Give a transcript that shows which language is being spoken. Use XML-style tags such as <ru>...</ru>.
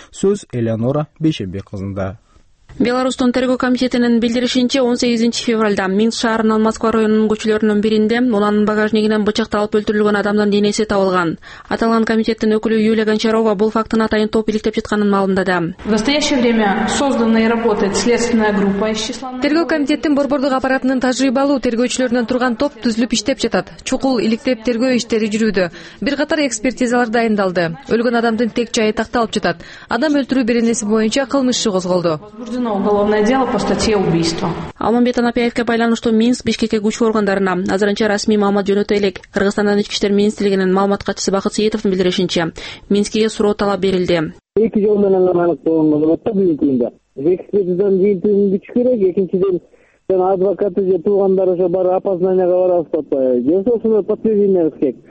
<ky>Сөз Элеонора Бейшенбек кызында. Беларусьтун тергөө комитетинин билдиришинче, 18 февралда Минск шаарынын Москва районунун көчөлөрүнүн биринде унаанын багажнигинен бычакталып өлтүрүлгөн адамдын денеси табылган. Аталган комитеттин өкүлү Юлия Гончарова бул фактыны атайын топ иликтеп жатканын маалымдады.</ky> <ru>В настоящее время создана и работает следственная группа из числа.</ru> <ky>Тергөө комитеттин борбордук аппаратынын тажрыйбалуу тергөөчүлөрүнөн турган топ түзүлүп иштеп жатат. Чукул иликтеп тергөө иштери жүрүүдө. Бир катар экспертизалар дайындалды. Өлгөн адамдын тек жайы такталып жатат. Адам өлтүрүү беренеси боюнча кылмыш иши козголду.</ky> <ru>Уголовное дело по статье убийства.</ru> <ky>Алмамбет Анапияевке байланыштуу Минск, Бишкекке күчү органдарына азырынча расмий маалымат жөнөтө элек. Кыргызстандын ички иштер министрлигинин маалымат катчысы Бакыт Сейитовдун билдиришинче, Минскиге суроо талап берилди. Эки жол менен эле аныктоонун болот да бүгүнкү күндө. Экспертизадан жыйынтыгын күчү керек, экинчиден жана адвокаты же туугандары ошо баары опознанияга барабыз деп атпайбы, же ошону подтверждениебиз керек.</ky>